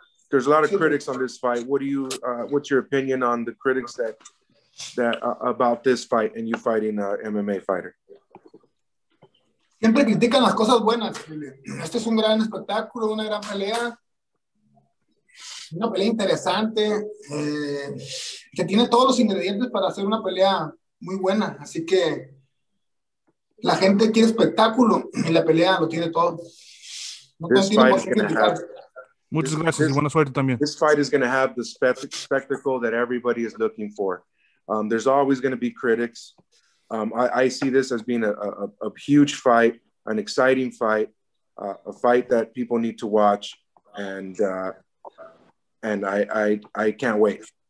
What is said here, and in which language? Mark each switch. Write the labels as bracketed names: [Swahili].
[English] There's a lot of critics on this fight. What's your opinion on the critics that about this fight and you fighting an MMA fighter? [Spanish] Siempre critican las cosas buenas. Este es un gran espectáculo, una gran pelea. Una pelea interesante. Que tiene todos los ingredientes para hacer una pelea muy buena. Así que la gente quiere espectáculo y la pelea lo tiene todo. Muchas gracias y buena suerte también. [English] This fight is going to have the spectacle that everybody is looking for. There's always going to be critics. I see this as being a huge fight, an exciting fight, a fight that people need to watch, and I can't wait.